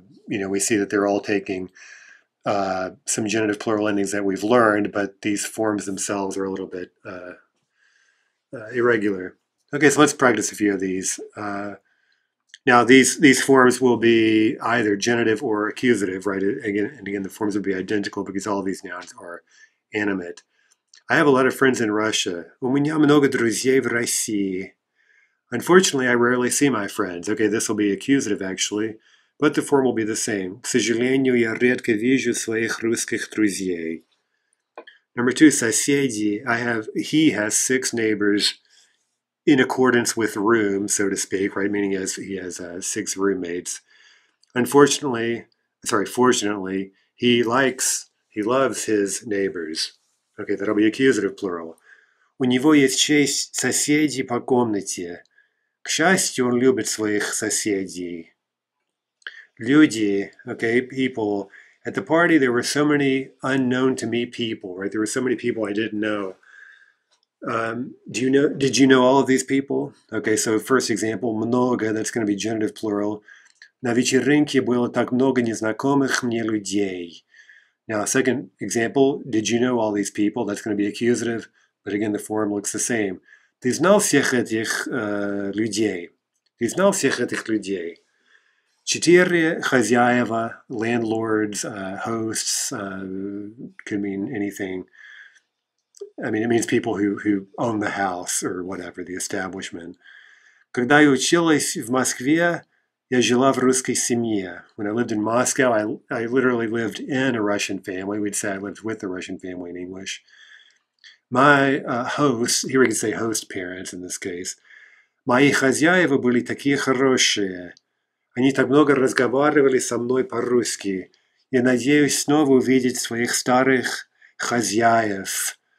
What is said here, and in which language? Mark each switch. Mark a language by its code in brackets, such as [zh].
[en] You know, we see that they're all taking some genitive plural endings that we've learned, but these forms themselves are a little bit irregular. Okay, so let's practice a few of these. Now, these forms will be either genitive or accusative, right? Again, the forms will be identical because all of these nouns are animate. I have a lot of friends in Russia. [ru] У меня много друзей в России. [en] Unfortunately, I rarely see my friends. Okay, this will be accusative, actually, but the form will be the same. [ru] К сожалению, я редко вижу своих русских друзей. [en] Number two, соседи. He has six neighbors. In accordance with room, so to speak, right? Meaning he has six roommates. Fortunately, he loves his neighbors. Okay, that'll be accusative plural. [ru] У него есть шесть соседей по комнате. К счастью, он любит своих соседей. [en] Люди, okay, people. At the party, there were so many unknown to me people, right? There were so many people I didn't know. Did you know all of these people? Okay, so first example, много, that's going to be genitive plural. [ru] На вечеринке было так много незнакомых мне людей. [en] Now, second example, did you know all these people? That's going to be accusative, but again, the form looks the same. [ru] Ты знал всех этих людей? Ты знал всех этих людей? Четыре хозяева, [en] landlords, hosts, could mean anything. I mean, it means people who own the house or whatever, the establishment. [ru] Когда я училась в Москве, я жила в русской семье. [en] When I lived in Moscow, I literally lived in a Russian family. We'd say I lived with a Russian family in English. My host, here we can say host parents in this case. [ru] Мои хозяева были такие хорошие. Они так много разговаривали со мной по-русски. Я надеюсь снова увидеть своих старых хозяев.